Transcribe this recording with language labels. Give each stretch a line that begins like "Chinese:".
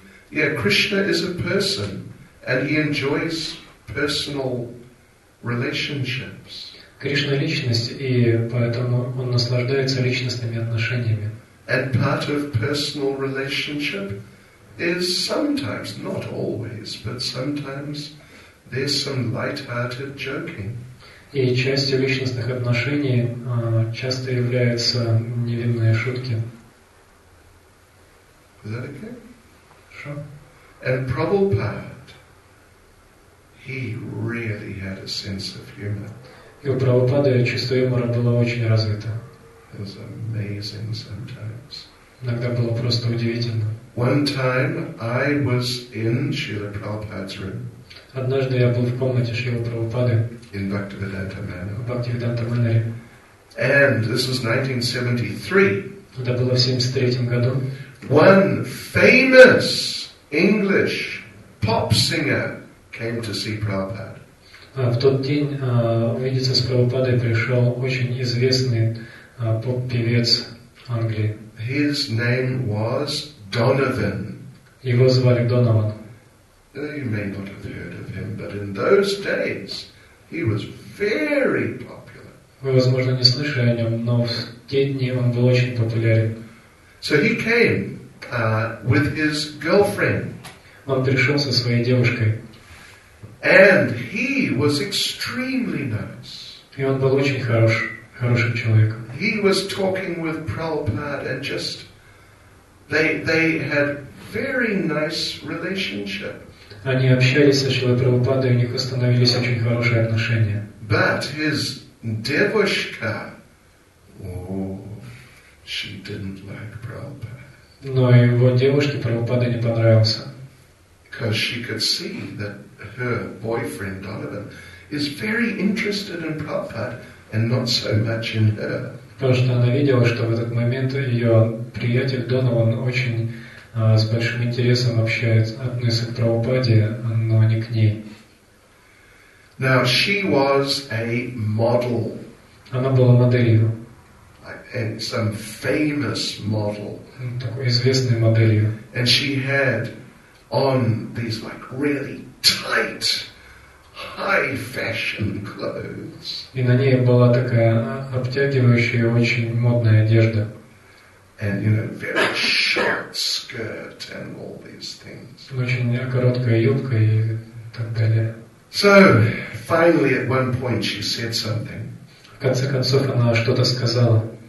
English: Yeah, Krishna is a person, and he enjoys personal relationships.
Russian: Кришна – личность, и поэтому он наслаждается личностными отношениями.
English: And part of personal relationship is sometimes, not always, but sometimes there's some light-hearted joking.
Russian: И частью личностных отношений часто являются невинные шутки.
English: Is that okay? Sure. And Prabhupada, he really had a sense of humor.
Russian: И у Прабхупады чувство юмора было очень развито.
English: It was amazing sometimes.
Russian: Иногда было просто удивительно.
English: One time I was in Srila Prabhupada's room.
Russian: Однажды я был в комнате Шрилы Прабхупады.
English: In Bhaktivedanta Manor. Bhaktivedanta Manor. And this was 1973.
Russian: Это было в 73 году.
English: One famous English pop singer came to see Prabhupada.
Russian: В тот день увидеться с Прабхупадой пришел очень известный поп-певец Англии.
English: His name was Donovan.
Russian: Его звали Донован.
English: You may not have heard of him, but in those days he was very popular.
Russian: Вы, возможно, не слышали о нем, но в те дни он был очень популярен.
English: So he came with his girlfriend.
Russian: Он пришел со своей девушкой.
English: And he was extremely nice.
Russian: И он был очень хорошим человеком.
English: He was talking with Prabhupada and just they had very nice relationship.
Russian: Они общались со Шрилой Прабхупадой, у них установились очень хорошие отношения.
English: But his
Russian: девушка,
English: she didn't like Prabhupada.
Russian: Но его девушке Прабхупада не понравился.
English: Because she could see that her boyfriend Donovan is very interested in Prabhupada and not so much in her.
Russian: Потому что она видела, что в этот момент ее приятель Донован очень с большим интересом относится к Прабхупаде, но не к ней.
English: Now, she was a model.
Russian: Она была моделью.
English: And some famous model.
Russian: Такой известной моделью.
English: And she had on these like really tight, high fashion clothes.
Russian: И на ней была такая обтягивающая очень модная одежда.
English: And you know, very short skirt and all these things.
Russian: Очень короткая юбка и так далее.
English: So, finally at one point she said something.
Russian: В конце концов она что-то сказала.